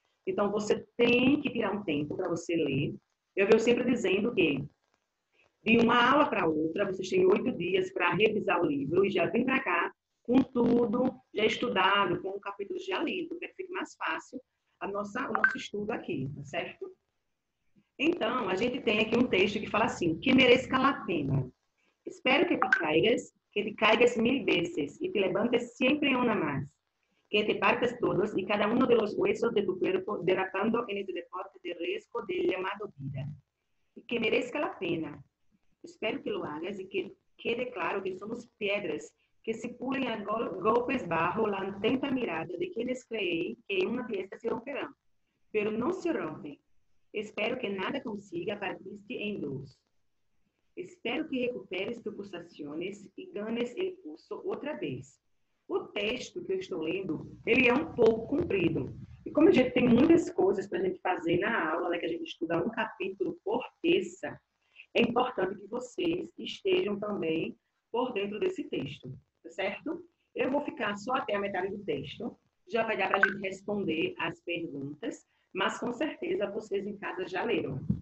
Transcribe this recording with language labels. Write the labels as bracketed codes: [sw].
[pt] Então, você tem que tirar um tempo para você ler. Eu venho sempre dizendo que, de uma aula para outra, vocês têm 8 dias para revisar o livro e já vem para cá com tudo já estudado, com o capítulo já lido, para que fique mais fácil o nosso estudo aqui, tá certo? Então, a gente tem aqui um texto que fala assim: [es] que merezca la pena. Espero que te caigas mil veces e te levantes siempre una más. Que te partes todos y cada uno de los huesos de tu cuerpo derrapando en este deporte de riesgo del llamado vida. Y que merezca la pena. Espero que lo hagas y que quede claro que somos piedras que se pulen a golpes bajo la atenta mirada de quienes creen que en una fiesta se romperán. Pero no se rompen. Espero que nada consiga partirse en dos. Espero que recuperes tus pulsaciones y ganes el pulso otra vez. [pt] O texto que eu estou lendo, ele é um pouco comprido. E como a gente tem muitas coisas para a gente fazer na aula, né, que a gente estuda um capítulo por terça, é importante que vocês estejam também por dentro desse texto, tá certo? Eu vou ficar só até a metade do texto, já vai dar para a gente responder as perguntas, mas com certeza vocês em casa já leram.